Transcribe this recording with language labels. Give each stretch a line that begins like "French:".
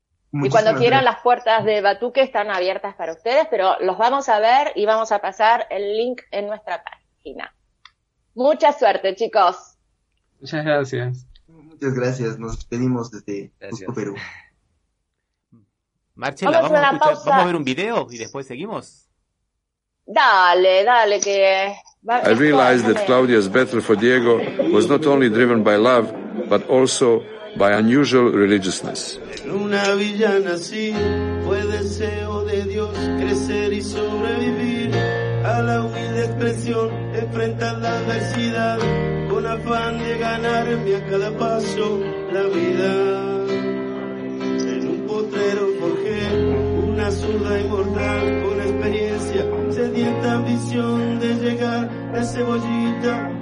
Spanish: Muchísimas y cuando quieran, gracias. Las puertas de Batuque están abiertas para ustedes, pero los vamos a ver y vamos a pasar el link en nuestra página. Mucha suerte, chicos. Muchas gracias. Muchas gracias. Nos despedimos desde Cusco, Perú. Marcela, vamos a escuchar, pausa. Vamos a ver un video y después seguimos. Dale, dale, que...
English: I realized that Claudia's battle for Diego was not only driven by love, but also by unusual religiousness.
Spanish: En una villa nací, fue deseo de Dios crecer y sobrevivir a la humilde expresión, enfrentar la adversidad con afán de ganarme a cada paso la vida. En un potrero forjé una zurda inmortal con experiencia, sedienta ambición de llegar a cebollita.